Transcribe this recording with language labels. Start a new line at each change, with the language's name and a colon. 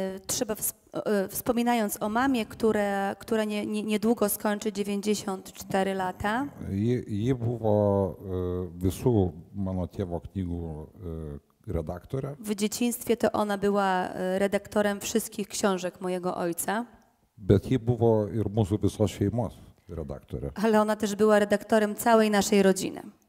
Polish: Trzeba wspominając o mamie, która niedługo skończy 94 lata.
Lithuanian: Ji buvo visų mano tėvo knygų redaktorė.
Polish: W dzieciństwie to ona była redaktorem wszystkich książek mojego ojca.
Lithuanian: Bet ji buvo ir mūsų visos šeimos redaktorė.
Polish: Ale ona też była redaktorem całej naszej rodziny.